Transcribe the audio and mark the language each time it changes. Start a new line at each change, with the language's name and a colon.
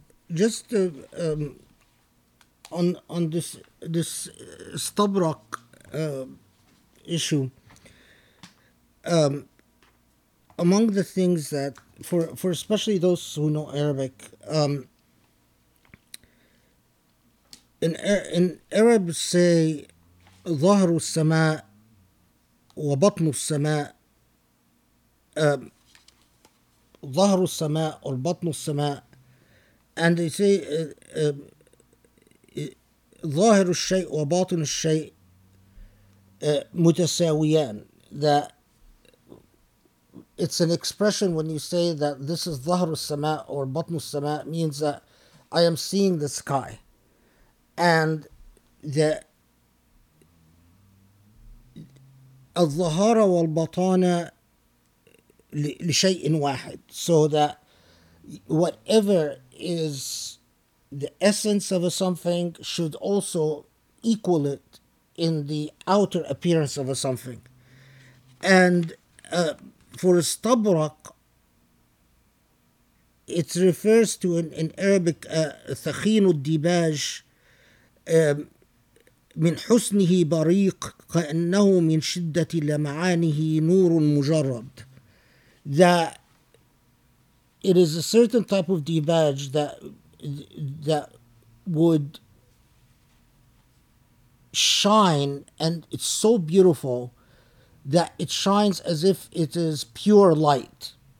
English: Just on this stabrak issue, among the things that for especially those who know Arabic, in Arab say
Arabic: ظهر السماء وبطن السماء. ظهر السماء or بطن السماء.
English: And they say
Arabic: ظاهر الشيء وباطن الشيء متساويان.
English: That it's an expression when you say that this is
Arabic: ظهر السماء
English: or
Arabic: بطن السماء,
English: means that I am seeing the sky. And the
Arabic: الظهارة والبطانة لشيء واحد.
English: So that whatever is the essence of something should also equal it in the outer appearance of a something. And for
Arabic: استبرق,
English: it refers to in Arabic
Arabic: ثخين الديباج من حسنه بريق كأنه من شدة لمعانه نور مجرد.
English: That it is a certain type of debage that would shine, and it's so beautiful that it shines as if it is pure light.